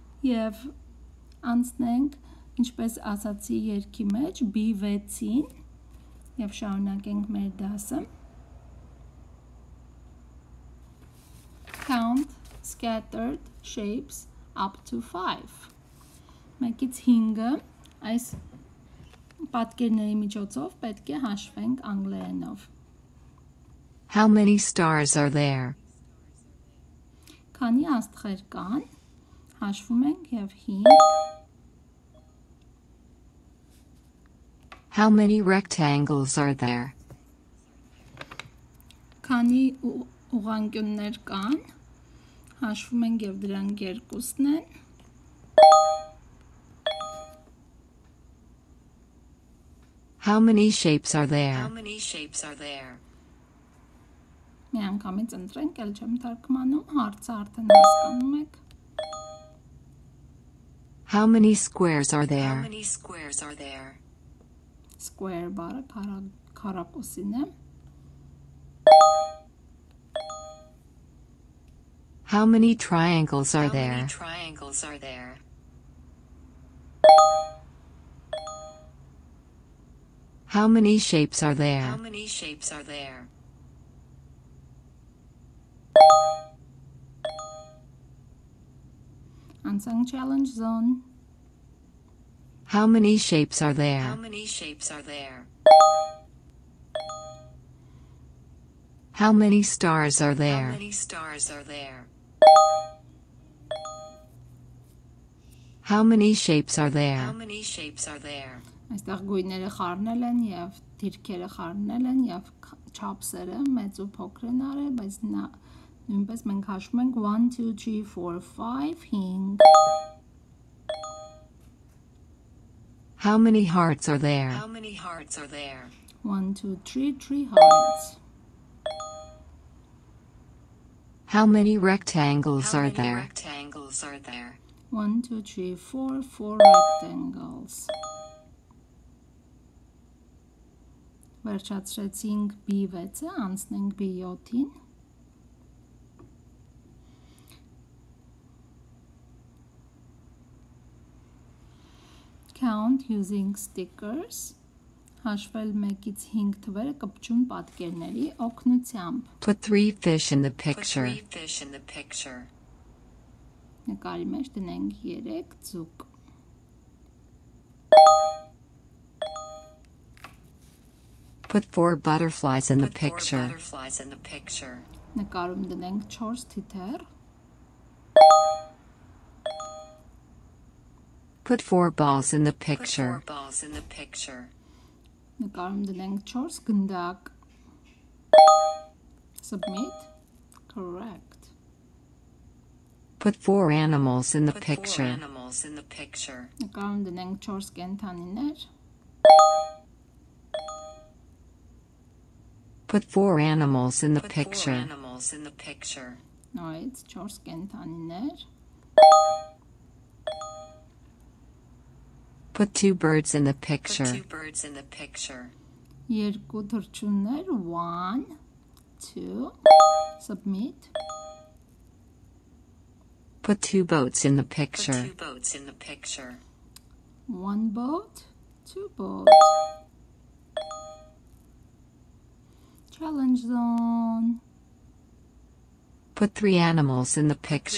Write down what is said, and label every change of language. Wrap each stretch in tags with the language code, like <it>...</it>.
<hy>և անցնենք, ինչպես ասացի, երգի մեջ, B6-ին, և շարունակենք մեր դասը։</hy> <en>Count scattered shapes up to 5.</en> <hy>Մեկից հինգը այս պատկերների միջոցով պետք է հաշվենք անգլերենով.</hy> <en>How many stars are there?</en> <hy>Քանի աստղեր կան, հաշվում ենք եւ հինգ.</hy> <en>How many rectangles are there?</en> <hy>Քանի ուղղանկյուններ կան, հաշվում ենք եւ դրանք երկուսն են.</hy> <en>How many shapes are there? How many shapes are there?</en> <hy>Միան կամից ընտրենք, էլ չեմ թարգմանում, հարցը արդեն հասկանում եք։</hy> <en>How many squares are there? How many squares are there?</en> <hy>Square բառը քառակուսին է։</hy> <en>How many triangles are there? How many triangles are there? How many shapes are there? How many shapes are there? Unsung challenge zone. How many shapes are there? How many shapes are there? How many stars are there? How many stars are there? How many shapes are there? How many shapes are there?</en> <hy>Այստեղ գույները խառնել են եւ դիրքերը խառնել են եւ չափսերը մեծ ու փոքր են արել, բայց նա նույնպես մենք հաշվում ենք 1 2 3 4 5 5</hy> <en>How many hearts are there? How many hearts are there? 1 2 3 3 hearts How many rectangles How are many there? Rectangles are there? 1 2 3 4 4 rectangles</en> <hy>Վերջացրեցինք B6-ը, անցնենք B7-ին։</hy> <en>Count using stickers.</en> <hy>Հաշվել 1-ից 5 թվերը կպչում պատկերների օգնությամբ։</hy> <en>Put 3 fish in the picture. Put 3 fish in the picture.</en> <hy>Նկարի մեջ դնենք 3 ձուկ։</hy> <en>Put 4 butterflies in the picture. Put 4 butterflies in the picture.</en> <hy>Նկարում դնենք 4 թիթեր.</hy> <en>Put 4 balls in the picture. Put 4 balls in the picture.</en> <hy>Նկարում դնենք 4 գնդակ.</hy> <en>Submit. Correct. Put 4 animals in the picture. Put 4 animals in the picture.</en> <hy>Նկարում դնենք 4 կենդանիներ.</hy> <en>Put 4 animals in the picture. Put 4 animals in the picture. No, it's 4 կենդանիներ. Put 2 birds in the picture. Put 2 birds in the picture.</en> <hy>2 թռչուններ 1 2 Submit.</hy> <en>Put 2 boats in the picture. Put 2 boats in the picture. 1 boat 2 boats. Challenge zone. Put 3 animals in the picture.</en>